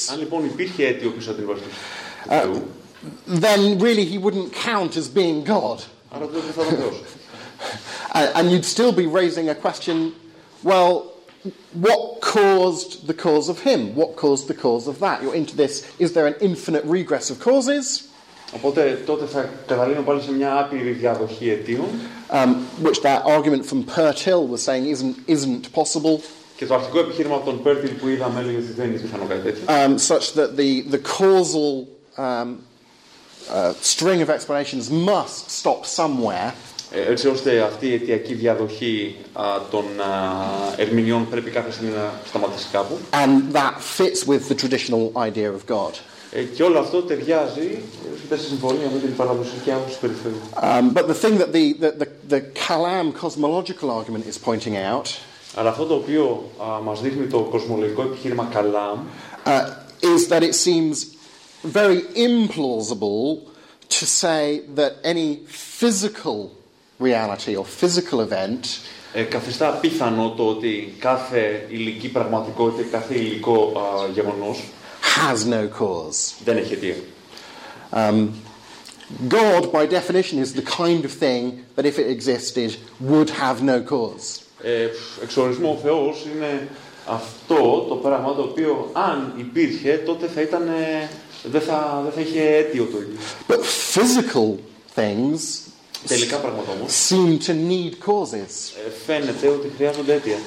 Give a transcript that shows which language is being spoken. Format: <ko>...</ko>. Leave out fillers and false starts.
<el>αν λοιπόν υπήρχε αίτιο πίσω από την υπάρξη του Θεού,</el> <en>then really he wouldn't count as being God.</en> <el>Άρα τότε θα ήταν Θεός.</el> <en>And you'd still be raising a question, well, what caused the cause of him? What caused the cause of that? You're into this. Is there an infinite regress of causes?</en> <el>Οπότε τότε θα καταλήγω πάλι σε μια άπειρη διαδοχή αιτίων.</el> <en>Which that argument from Pertil was saying isn't possible.</en> <el>Και το αρχικό επιχείρημα από τον Pertil που είδαμε έλεγε ότι δεν είναι πιθανό κάτι τέτοιο.</el> <en>Such that the causal string of explanations must stop somewhere.</en> <el>Έτσι ώστε αυτή η αιτιακή διαδοχή των ερμηνεών πρέπει κάποια στιγμή να σταματήσει κάπου.</el> <en>And that fits with the traditional idea of God.</en> <el>Και όλο αυτό ταιριάζει στη συμφωνία με την παραδοσιακή άποψη περί Θεού.</el> <en>But the thing that the Kalam cosmological argument is pointing out.</en> <el>Αλλά αυτό το οποίο μας δείχνει το κοσμολογικό επιχείρημα Kalam</el> <en>is that it seems very implausible to say that any physical reality or physical event.</en> <el>Καθιστά πιθανό το ότι κάθε υλική πραγματικότητα, κάθε υλικό γεγονός</el> <en>has no cause.</en> <el>Δεν έχει αιτία.</el> <en>God, by definition, is the kind of thing that if it existed, would have no cause.</en> <el>Εξορισμό ο Θεός είναι αυτό το πράγμα το οποίο αν υπήρχε, τότε θα ήταν, δεν θα είχε αίτιο το ίδιο.</el> <en>But physical things</en> <el>τελικά πράγματα όμως</el> <en>seem to need causes.</en> <el>Φαίνεται ότι χρειάζονται αίτια.</el>